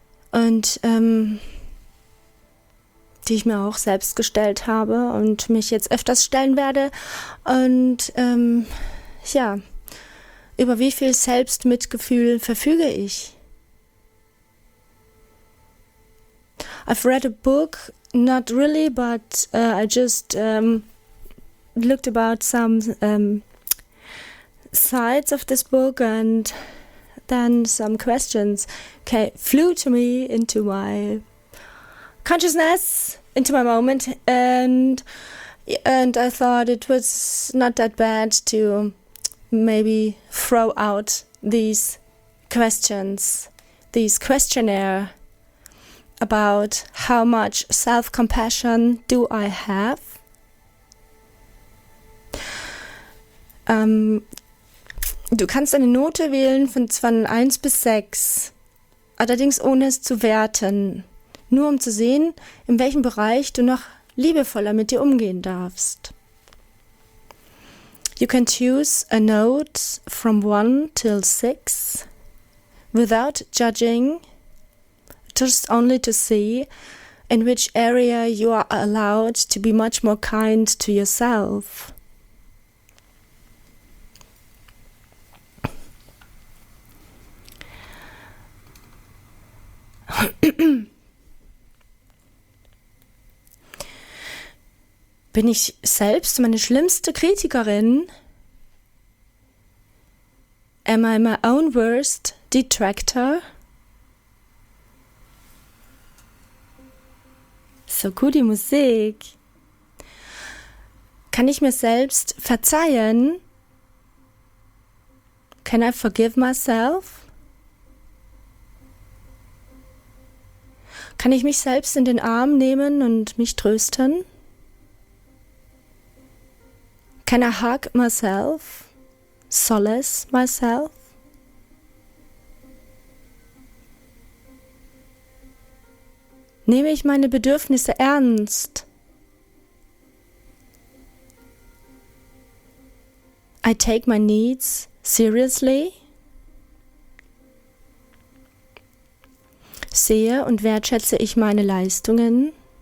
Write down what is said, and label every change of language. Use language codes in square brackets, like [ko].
[de] Und die ich mir auch selbst gestellt habe und mich jetzt öfters stellen werde. Und ja, über wie viel Selbstmitgefühl verfüge ich? [en] I've read a book, not really, but I just looked about some sides of this book and then some questions flew to me into my consciousness. Into my moment, and I thought it was not that bad to maybe throw out these questions, these questionnaire about how much self-compassion do I have? [de] Du kannst eine Note wählen von 1 bis 6, allerdings ohne es zu werten. Nur um zu sehen, in welchem Bereich du noch liebevoller mit dir umgehen darfst. [en] You can choose a note from 1 till 6 without judging, just only to see in which area you are allowed to be much more kind to yourself. [de] Bin ich selbst meine schlimmste Kritikerin? [en] Am I my own worst detractor? [de] So cool die Musik. Kann ich mir selbst verzeihen? [en] Can I forgive myself? [de] Kann ich mich selbst in den Arm nehmen und mich trösten? [en] Can I hug myself? Solace myself? [de] Nehme ich meine Bedürfnisse ernst? [en] I take my needs seriously? [de] Sehe und wertschätze ich meine Leistungen?